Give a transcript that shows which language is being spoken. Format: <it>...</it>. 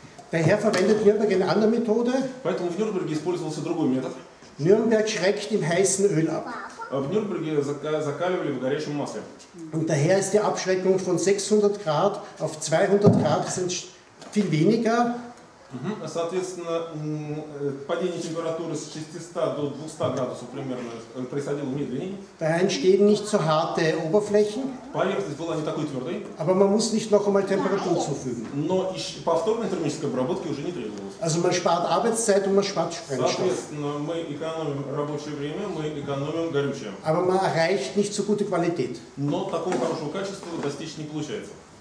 <de>Daher verwendet Nürnberg eine andere Methode.</de> <ru>Поэтому в Нюрнберге использовался другой метод.</ru> <de>Nürnberg schreckt im heißen Öl ab.</de> <ru>В Нюрнберге закаливали в горячем масле.</ru> <de>Und daher ist die Abschreckung von 600 Grad auf 200 Grad sind viel weniger.</de> <ru>Соответственно, падение температуры с 600 до 200 градусов примерно происходило медленнее.</ru> <de>Daher entstehen nicht so harte Oberflächen.</de> <ru>Поверхность была не такой твердой.</ru> <de>Aber man muss nicht noch einmal Temperatur zufügen.</de> <ru>Но повторной термической обработки уже не требовалось.</ru> <de>Also man spart Arbeitszeit und man spart Sprengstoff.</de> <ru>Соответственно, мы экономим рабочее время, мы экономим горючее.</ru> <de>Aber man erreicht nicht so gute Qualität.</de> <ru>Но такого хорошего качества достичь не получается.</ru>